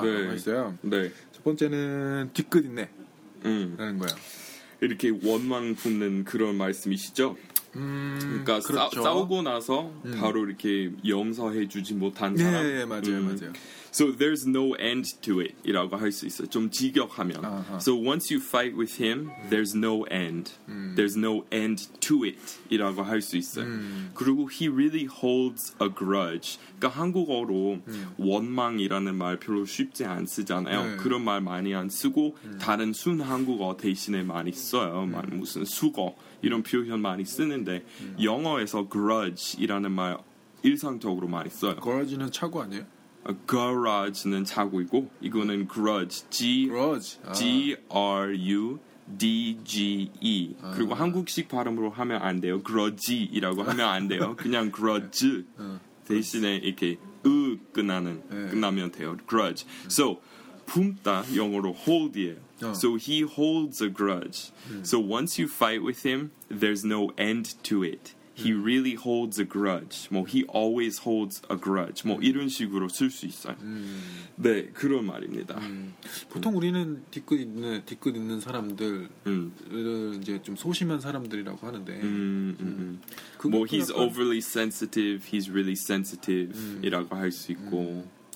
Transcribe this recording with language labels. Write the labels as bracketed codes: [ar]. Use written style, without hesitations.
[ko] 네. 라고 했어요. 네. 첫 번째는 뒤끝 있네 라는 거야. 이렇게 원망 붙는 그런 말씀이시죠? 그러니까 그렇죠. 싸우고 나서 바로 이렇게 용서해주지 못한 사람. 네, 예, 맞아요, 맞아요. [en] So there's no end to it [ko] 이라고 할 수 있어요. 좀 직역하면. [en] So once you fight with him, there's no end. There's no end to it [ko] 이라고 할 수 있어요. 그리고 [en] he really holds a grudge. [ko] 그러니까 한국어로 원망이라는 말 별로 쉽지 않 쓰잖아요. 그런 말 많이 안 쓰고 다른 순한국어 대신에 많이 써요. 무슨 수거 이런 표현 많이 쓰는데 영어에서 grudge 이라는 말 일상적으로 많이 써요. Grudge는 차고 아니에요? Garage는 차고이고 이거는 grudge, grudge. 그리고 한국식 발음으로 하면 안 돼요. grudge이라고 하면 안 돼요. 그냥 grudge 대신에 이렇게 끝나는 끝나면 돼요. grudge. [en] So [ko] 품다 영어로 [en] hold이에요. So he holds a grudge. So once you fight with him, there's no end to it. He really holds a grudge. 뭐, he always holds a grudge. [ko] 뭐, 이런 식으로 쓸 수 있어요. 네, 그런 말입니다. 보통 우리는 뒤끝 있는 사람들을 이제 좀 소심한 사람들이라고 하는데 [en] 뭐, he's 약간, overly sensitive, he's really sensitive [ko] 이라고 할 수 있고